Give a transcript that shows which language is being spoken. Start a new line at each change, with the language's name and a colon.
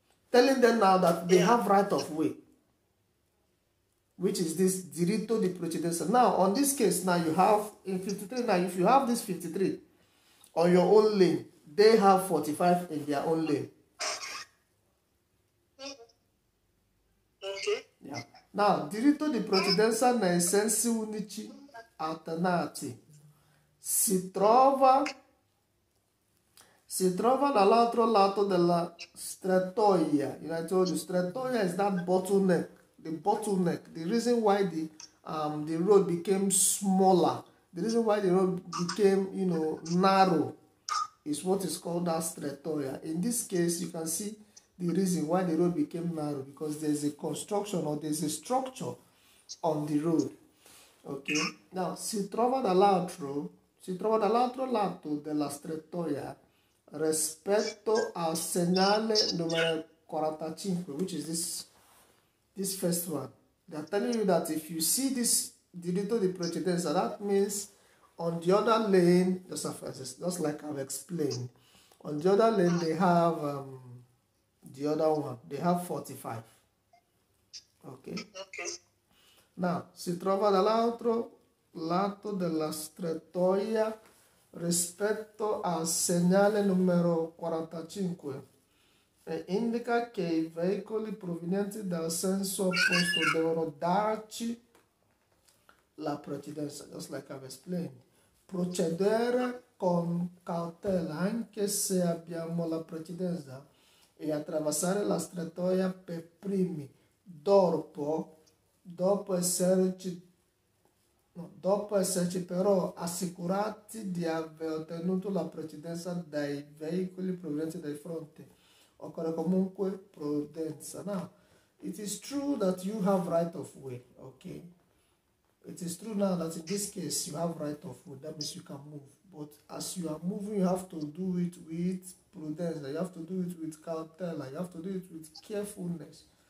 English: Telling them now that they have right of way, which is this
Italian: diritto di precedenza.
English: Now, on this case, now you have in 53, now if you have this 53 on your own lane, they have 45 in their own lane. Okay. Yeah.
Italian: Now, diritto di precedenza nei sensi unici alternati si trova dall'altro lato della strettoia.
English: You know, I told you, strettoia is that bottleneck. The reason why the road became smaller, the reason why the road became, you know, narrow, is what is called that strettoia. In this case, you can see the reason why the road became narrow, because there's a construction or there's a structure on the road.
Italian: Okay, now si trova dall'altro lato della strettoia rispetto al segnale numero 45,
English: which is this first one. They are telling you that if you see this
Italian: diritto di precedenza,
English: that means on the other lane, just like I've explained, on the other lane they have the other one, they have 45. Okay.
Italian: Now, si trova dall'altro lato della strettoia rispetto al segnale numero 45 e indica che i veicoli provenienti dal senso opposto devono darci la precedenza,
English: just like I've explained.
Italian: Procedere con cautela anche se abbiamo la precedenza e attraversare la strettoia per primi, dopo esserci però assicurati di aver ottenuto la precedenza dai veicoli provenienti dai fronti. Occorre comunque prudenza.
English: Now, it is true that you have right of way, okay? It is true now that in this case you have right of way, that means you can move. But as you are moving, you have to do it with prudence, you have to do it with cautela, you have to do it with carefulness.